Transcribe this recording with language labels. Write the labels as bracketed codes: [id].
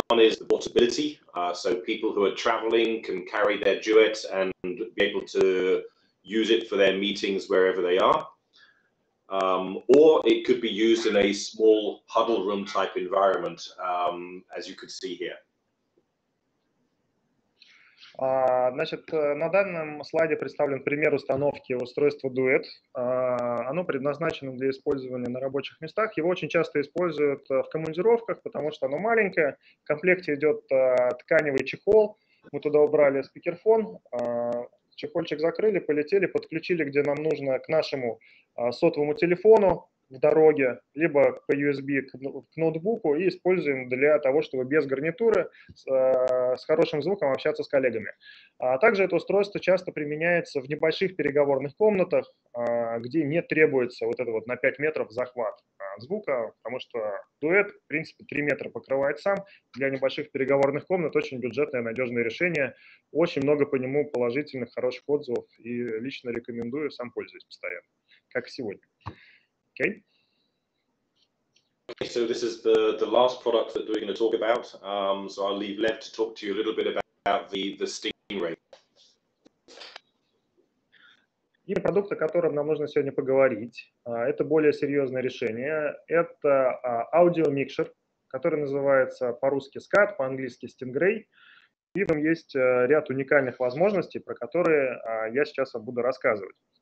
[en] One is the portability. So people who are traveling can carry their duet and be able to use it for their meetings wherever they are. Or it could be used in a small huddle room type environment, as you could see here. [ru] Значит, на данном слайде представлен пример установки устройства Duet. Оно предназначено для использования на рабочих местах. Его очень часто используют в командировках, потому что оно маленькое. В комплекте идет тканевый чехол. Мы туда убрали спикерфон, чехольчик закрыли, полетели, подключили, где нам нужно, к нашему сотовому телефону в дороге, либо по USB к ноутбуку, и используем для того, чтобы без гарнитуры с хорошим звуком общаться с коллегами. Также это устройство часто применяется в небольших переговорных комнатах, где не требуется вот это вот на 5 метров захват звука, потому что Duet, в принципе, 3 метра покрывает сам. Для небольших переговорных комнат очень бюджетное, надежное решение. Очень много по нему положительных, хороших отзывов, и лично рекомендую, сам пользуюсь постоянно, как и сегодня. [en] Okay. So this is the last product that we're going to talk about. So I'll leave Lev to talk to you a little bit about the Stingray. [ru] И продукт, о котором нам нужно сегодня поговорить, это более серьезное решение. Это аудиомикшер, который называется по-русски SCAD, по-английски Stingray. И там есть ряд уникальных возможностей, про которые я сейчас вам буду рассказывать.